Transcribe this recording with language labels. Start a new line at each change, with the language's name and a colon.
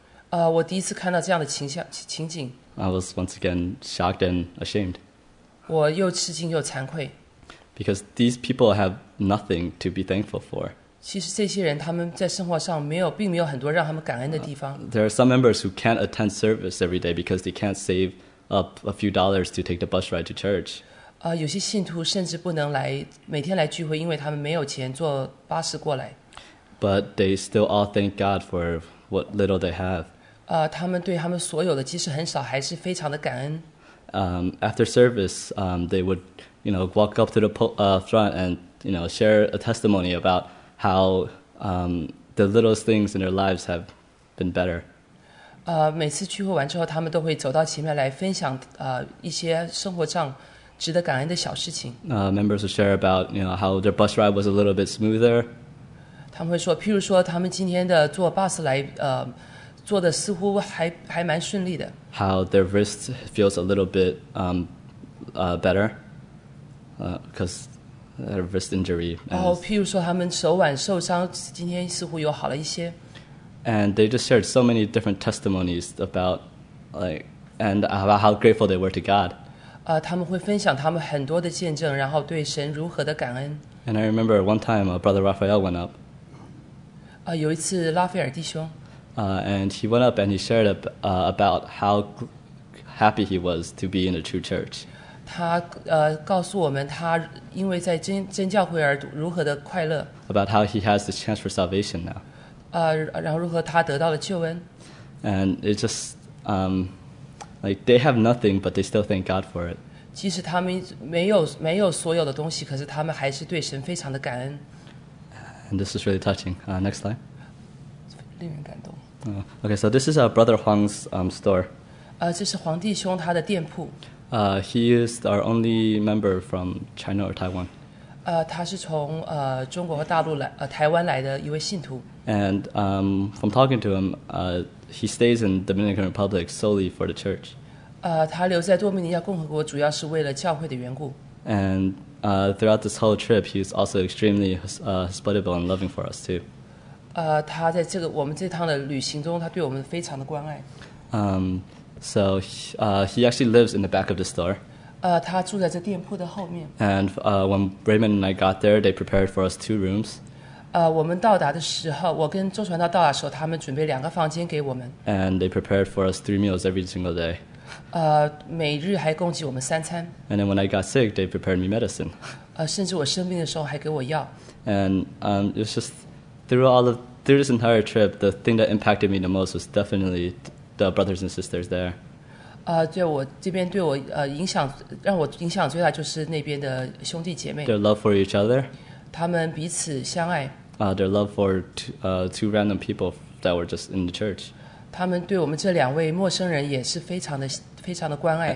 Chinese: 我第一次看到这样的情景。
English: I was once again shocked and ashamed.
Chinese: 我又吃惊又惭愧。
English: Because these people have nothing to be thankful for.
Chinese: 其实这些人他们在生活上并没有很多让他们感恩的地方。
English: There are some members who can't attend service every day because they can't save up a few dollars to take the bus ride to church.
Chinese: 有些信徒甚至不能每天来聚会，因为他们没有钱坐巴士过来。
English: But they still all thank God for what little they have.
Chinese: 他们对他们所有的即使很少还是非常的感恩。
English: After service, they would, you know, walk up to the front and, you know, share a testimony about how the littlest things in their lives have been better.
Chinese: 每次聚会完之后，他们都会走到前面来分享 一些生活上值得感恩的小事情。
English: Members will share about, you know, how their bus ride was a little bit smoother.
Chinese: 他们会说，譬如说，他们今天的坐巴士来 坐的似乎还蛮顺利的。
English: How their wrist feels a little bit better, because wrist injury.
Chinese: And, 哦，譬如说他们手腕受伤，今天似乎有好了一些。
English: And they just shared so many different testimonies about, like, and about how grateful they were to God.
Chinese: 他们会分享他们很多的见证，然后对神如何的感恩。
English: And I remember one time, Brother Raphael went up.
Chinese: 有一次拉斐尔弟兄。
English: And he went up and he shared about how happy he was to be in a true church.
Chinese: 他告诉我们他因为在真教会而如何的快乐。
English: About how he has the chance for salvation now.
Chinese: 然后如何他得到了救恩。
English: And it's just, like they have nothing, but they still thank God for it.
Chinese: 即使他们没有所有的东西，可是他们还是对神非常的感恩。
English: And this is really touching. Next slide.
Chinese: 令人感动。
English: Okay, so this is our brother Huang's store.
Chinese: 这是黄弟兄他的店铺。
English: He is our only member from China or Taiwan.
Chinese: 他是从中国和大陆来台湾来的一位信徒。
English: And from talking to him, he stays in Dominican Republic solely for the church.
Chinese: 他留在多米尼加共和国主要是为了教会的缘故。
English: And throughout this whole trip, he's also extremely hospitable and loving for us too.
Chinese: 他在这个我们这趟的旅行中，他对我们非常的关爱。
English: So he actually lives in the back of the store.
Chinese: 他住在这店铺的后面。
English: And when Raymond and I got there, they prepared for us two rooms.
Chinese: 我们到达的时候，我跟周传道到达的时候，他们准备两个房间给我们。
English: And they prepared for us three meals every single day.
Chinese: 每日还供给我们三餐。
English: And then when I got sick, they prepared me medicine.
Chinese: 甚至我生病的时候还给我药。
English: And it was just. Through this entire trip, the thing that impacted me the most was definitely the brothers and sisters there.
Chinese: 对我这边对我影响让我影响最大就是那边的兄弟姐妹。
English: Their love for each other.
Chinese: 他们彼此相爱。
English: Their love for two random people that were just in the church.
Chinese: 他们对我们这两位陌生人也是非常的关爱。